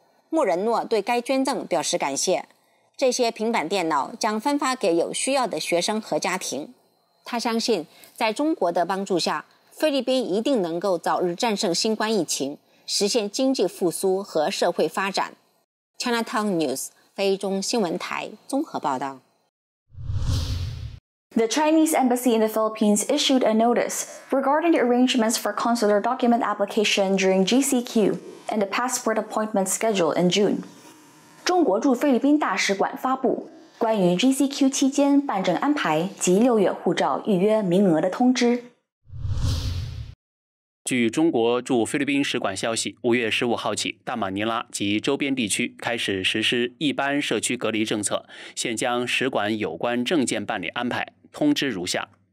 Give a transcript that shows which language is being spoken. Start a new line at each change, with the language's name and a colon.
Chinese: 莫仁诺对该捐赠表示感谢，这些平板电脑将分发给有需要的学生和家庭。他相信，在中国的帮助下，菲律宾一定能够早日战胜新冠疫情，实现经济复苏和社会发展。 Chinatown News 非中新闻台综合报道。
English: The Chinese Embassy in the Philippines issued a notice regarding the arrangements for consular document application during GCQ and the passport appointment schedule in June.
Chinese: 中国驻菲律宾大使馆发布关于 GCQ 期间办证安排及六月护照预约名额的通知。据中国驻菲律宾使馆消息，5月15号起，大马尼拉及周边地区开始实施一般社区隔离政策，现将使馆有关证件办理安排通知如下：